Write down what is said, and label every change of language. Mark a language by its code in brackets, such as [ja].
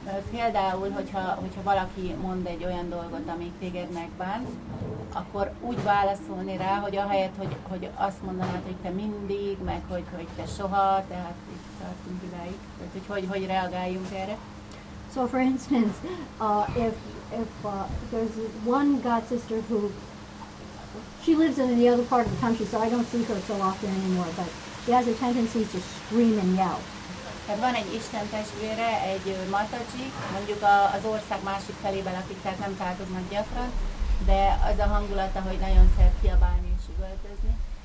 [hu] Például, hogyha valaki mond egy olyan dolgot, amit téged megbánt, akkor úgy válaszolni rá, hogy ahelyett, hogy azt mondanád, hogy te mindig, meg hogy te soha, tehát itt tartunk idáig. Tehát, hogy reagáljunk erre. [en] So for instance, if there's one god sister who, she lives in the other part of the country, so I don't see her so often anymore, but she has a tendency to scream and yell. [hu] Tehát van egy Isten testvére, egy matacsi, mondjuk az ország másik felében, akik tehát nem tartoznak gyakran, de az a hangulata, hogy nagyon szeret kiabálni és üvöltözni.